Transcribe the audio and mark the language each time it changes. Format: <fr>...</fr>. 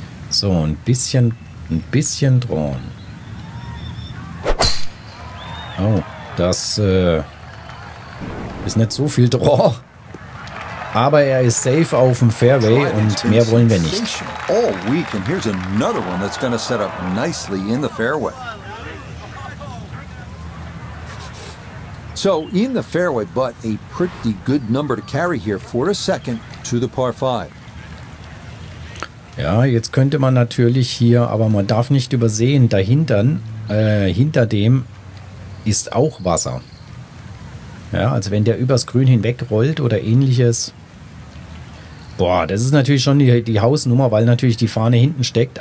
<de>So, ein bisschen drohen. Oh, das ist nicht so viel Draw. Aber er ist safe auf dem Fairway und mehr wollen wir nicht.</de> <en>All week, and here's another one that's gonna set up nicely in the fairway. So in the fairway, but a pretty good number to carry here for a second to the par 5.</en> <de>Ja, jetzt könnte man natürlich hier, aber man darf nicht übersehen, dahinter, hinter dem ist auch Wasser. Ja, also wenn der übers Grün hinwegrollt oder ähnliches. Boah, das ist natürlich schon die Hausnummer, weil natürlich die Fahne hinten steckt.</de>